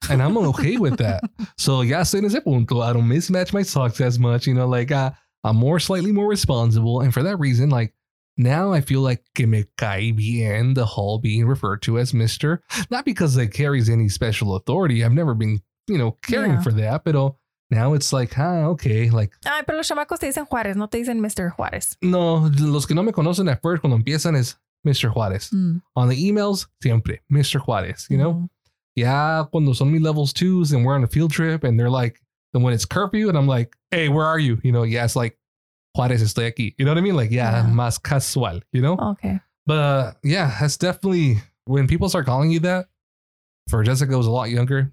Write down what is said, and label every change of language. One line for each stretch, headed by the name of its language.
English: And I'm okay with that. So
Spanish: ya estoy en ese punto.
English: I don't mismatch my socks as much. You know, like I'm more slightly more responsible. And for that reason, like, now I feel like
Spanish: que me cae bien
English: the whole being referred to as Mr. Not because it carries any special authority. I've never been, you know, caring for that. But now it's like, okay. Like,
Spanish: ay, pero los chamacos te dicen Juárez, no te dicen Mr. Juárez. No, los que no me conocen
English: at first
Spanish: cuando empiezan es Mr.
English: Juárez. On the emails,
Spanish: siempre,
English: Mr. Juárez, you know? Yeah,
Spanish: cuando son mi
English: levels twos and we're on a field trip and they're like, then when it's curfew and I'm like, hey, where are you? You know, yeah, it's like, Juárez,
Spanish: estoy aquí.
English: You know what I mean? Like, yeah,
Spanish: más casual,
English: you know? Okay. But yeah, that's definitely, when people start calling you that, for Jessica, it was a lot younger.